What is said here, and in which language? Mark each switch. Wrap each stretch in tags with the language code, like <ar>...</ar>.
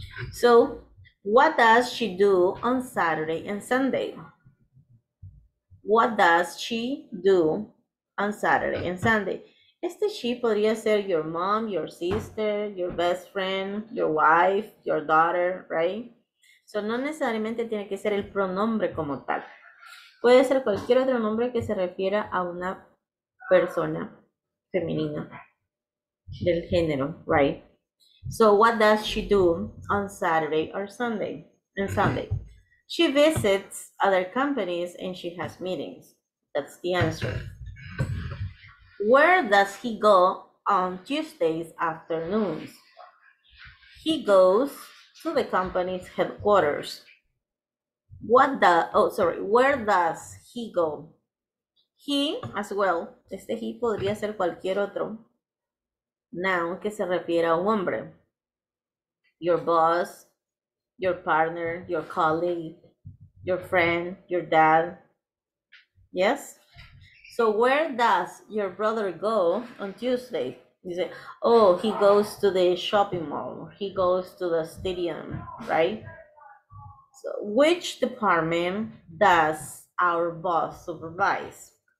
<en>So, what does she do on Saturday and Sunday? What does she do on Saturday and Sunday? Este she</en> <es>podría ser</es> <en>your mom, your sister, your best friend, your wife, your daughter, right?</en> <es>So no necesariamente tiene que ser el pronombre como tal. Puede ser cualquier otro nombre que se refiera a una persona femenina del género, right?</es> <en>So what does she do on Saturday or Sunday? On Sunday. She visits other companies and she has meetings. That's the answer. Where does he go on Tuesday's afternoons? He goes to the company's headquarters. Where does he go? He, as well,</en> <es>este he podría ser cualquier otro noun que se refiera a un hombre.</es> <en>Your boss, your partner, your colleague, your friend, your dad. Yes? So where does your brother go on Tuesday? You say, oh, he goes to the shopping mall. He goes to the stadium, right? So which department does our boss supervise?</en>